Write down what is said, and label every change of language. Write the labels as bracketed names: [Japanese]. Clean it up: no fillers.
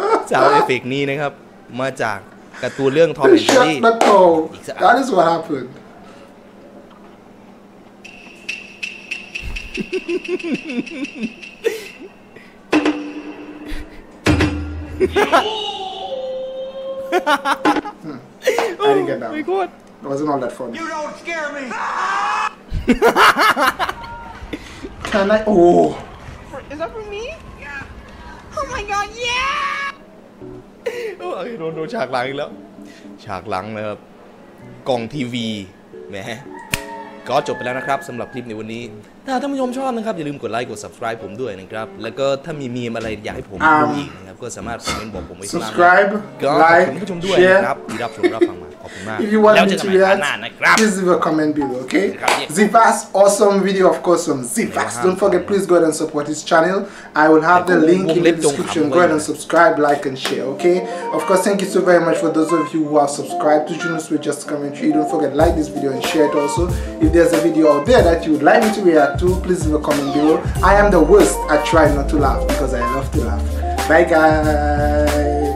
[Thai] จากเอฟเฟกต์นี้นะครับมาจากกับตัวเรื่องทอมแอนด์เจอรี่ [English] That is what happened I didn't get that one. It wasn't all that fun. You don't scare me. Can I? Is that for me? Yeah. Oh my god, yeah. [Thai] Oh, โดนฉากหลังอีกแล้วฉากหลังนะครับกล่องทีวีแหมก็จบไปแล้วนะครับสำหรับคลิปในวันนี้ ถ้าท่านผู้ชมชอบนะครับอย่าลืมกดไลค์กด Subscribe ผมด้วยนะครับแล้วก็ถ้ามีมีมอะไรอยากให้ผมดูอีกนะครับก็สามารถคอมเมนต์บอกผมไว้ได้ [English] Subscribe [Thai] ก็ขอบคุณผู้ชมด้วยนะครับที่รับชมรับฟังมาขอบคุณมาก แล้วเจอกันใหม่ตอนหน้านะครับ [English] Please leave a comment below okay Zivas awesome video of course from Zivas don't forget please go ahead and support his channel I will have the link in the description go ahead and subscribe like and share okay of course thank you so very much for those of you who have subscribed to Junus with Just Commentary don't forget like this video and share it also if there's a video out there that you would like me to react too please leave a comment below I am the worst at trying not to laugh because I love to laugh bye guys